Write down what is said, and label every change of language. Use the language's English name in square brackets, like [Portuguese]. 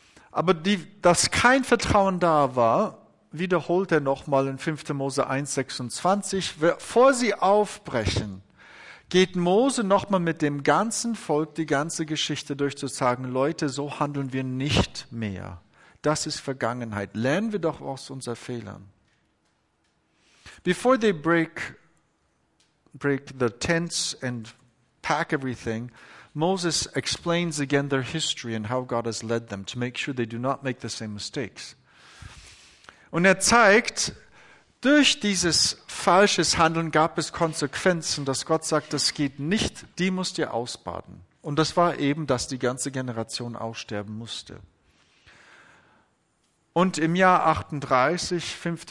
[German] Aber dass kein Vertrauen da war, wiederholt er nochmal in 5. Mose 1, 26. Vor sie aufbrechen, geht Mose nochmal mit dem ganzen Volk die ganze Geschichte durch, zu sagen, Leute, so handeln wir nicht mehr. Das ist Vergangenheit. Lernen wir doch aus unseren Fehlern. [English] Before they break the tents and pack everything, Moses explains again their history and how God has led them to make sure they do not make the same mistakes. [German] Und er zeigt, durch dieses falsches Handeln gab es Konsequenzen, dass Gott sagt, das geht nicht, die musst ihr ausbaden. Und das war eben, dass die ganze Generation aussterben musste. Und im Jahr 38, 5.